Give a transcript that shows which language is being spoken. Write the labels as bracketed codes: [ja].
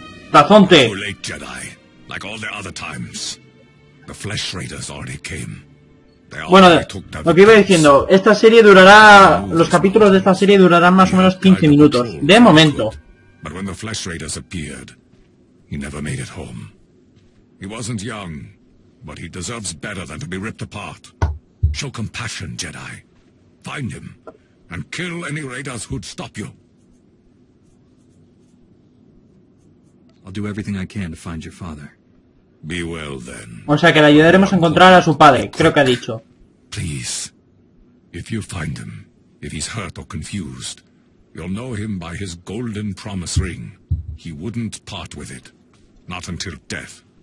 [en] Tazonte. Too late, Jedi. Like all the other times, the Flesh Raiders already came. [es] Bueno, lo que iba diciendo, esta serie durará, los capítulos de esta serie durarán más o menos 15 minutos, de momento. [en] But when the Flesh Raiders appeared, he never made it home. He wasn't young, but he deserves better than to be ripped apart. Show compassion, Jedi. Find him. And kill any raiders who'd stop you. I'll do everything I can to find your father. Be well then. [es] O sea que le ayudaremos a encontrar a su padre, creo que ha dicho. [en] Please, if you find him, if he's hurt or confused, you'll know him by his golden promise ring. He wouldn't part with it, not until death.